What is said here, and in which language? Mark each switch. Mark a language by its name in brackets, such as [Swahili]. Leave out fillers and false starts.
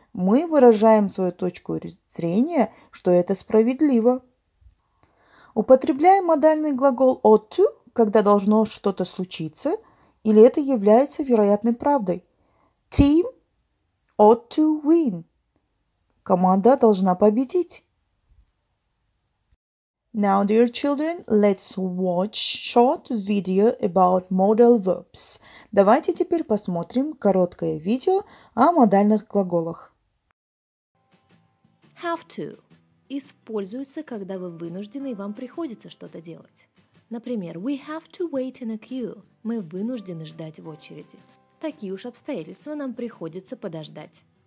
[Russian] мы выражаем свою точку зрения, что это справедливо. Употребляем модальный глагол ought to, когда должно что-то случиться, или это является вероятной правдой. [English] Team ought to win. [Russian] Команда должна победить. [English] Now, dear children, let's watch short video about modal verbs. [Russian] Давайте теперь посмотрим короткое видео о модальных глаголах. Have to используется, когда вы вынуждены и вам приходится что-то делать. Например, [English] we have to wait in a queue. [Russian] Мы вынуждены ждать в очереди. Такие уж обстоятельства нам приходится подождать.